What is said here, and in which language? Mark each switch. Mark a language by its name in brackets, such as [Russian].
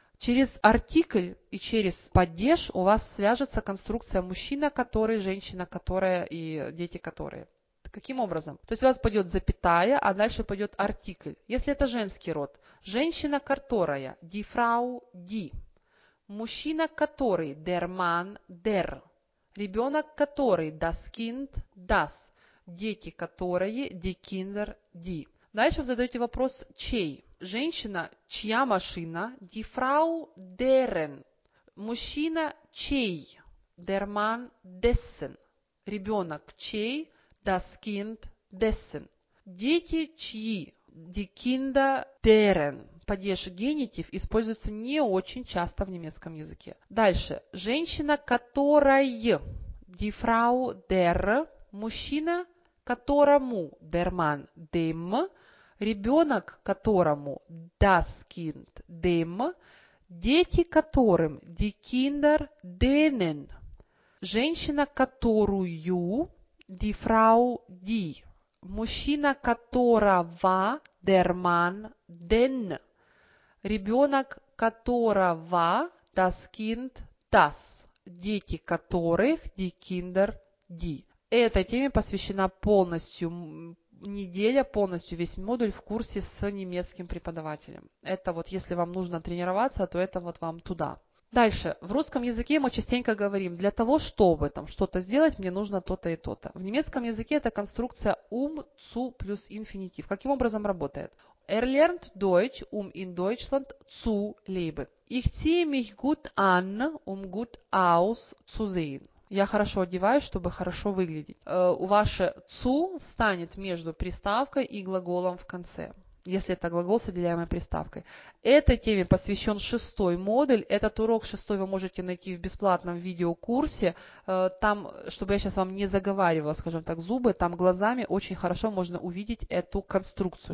[Russian] Через артикль и через падеж у вас свяжется конструкция «мужчина, который», «женщина, которая» и «дети, которые». Каким образом? То есть у вас пойдет запятая, а дальше пойдет артикль. Если это женский род, женщина, которая, [German] die Frau, die. [Russian] Мужчина, который, [German] der Mann, der. [Russian] Ребенок, который, [German] das Kind, das. [Russian] Дети, которые, [German] die Kinder, die. [Russian] Дальше вы задаете вопрос, чей? Женщина, чья машина, [German] die Frau, deren. [Russian] Мужчина, чей? [German] Der Mann, dessen. [Russian] Ребенок, чей? [German] Das Kind dessen. [Russian] Дети чьи? [German] Die Kinder deren. [Russian] Падеж генитив используется не очень часто в немецком языке. Дальше. Женщина, которой. [German] Die Frau der. [Russian] Мужчина, которому. [German] Der Mann dem. [Russian] Ребенок, которому. [German] Das Kind dem. [Russian] Дети, которым. [German] Die Kinder denen. [Russian] Женщина, которую. [German] Die Frau, die. [Russian] Мужчина, которого, [German] der Mann, den. [Russian] Ребенок, которого, [German] das Kind, das. [Russian] Дети, которых, [German] die Kinder, die. [Russian] Этой теме посвящена полностью неделя, полностью весь модуль в курсе с немецким преподавателем. Это вот если вам нужно тренироваться, то это вот вам туда. Дальше. В русском языке мы частенько говорим, для того, чтобы там что-то сделать, мне нужно то-то и то-то. В немецком языке это конструкция zu плюс инфинитив. Каким образом работает? [German] Lernt Deutsch, in Deutschland zu leben. Ich ziehe mich gut an, gut aus zu sehen. [Russian] Я хорошо одеваюсь, чтобы хорошо выглядеть. Ваше zu встанет между приставкой и глаголом в конце, если это глагол с отделяемой приставкой. Этой теме посвящен шестой модуль. Этот урок шестой вы можете найти в бесплатном видеокурсе. Там, чтобы я сейчас вам не заговаривала, скажем так, зубы, там глазами очень хорошо можно увидеть эту конструкцию.